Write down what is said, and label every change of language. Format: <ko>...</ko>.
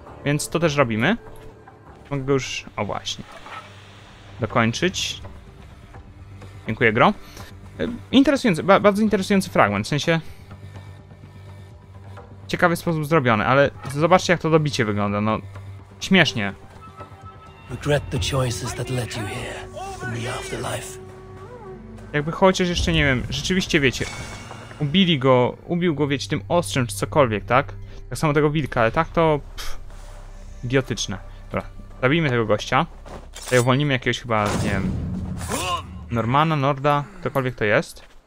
<pl>Więc to też robimy. Mogę go już... O właśnie. Dokończyć. Dziękuję, gro. Interesujący, bardzo interesujący fragment, w sensie... Ciekawy sposób zrobiony, ale zobaczcie, jak to dobicie wygląda, no... Śmiesznie.</pl> <en>Regret the choices that led you here in the afterlife.</en> <pl>Jakby chociaż jeszcze, nie wiem, rzeczywiście wiecie, ubili go, ubił go, wiecie, tym ostrzem czy cokolwiek, tak? Tak samo tego wilka, ale tak to... Pff, idiotyczne. Dobra, zabijmy tego gościa. Tutaj uwolnimy jakiegoś chyba, nie wiem... Normana, Norda, ktokolwiek to jest.</pl>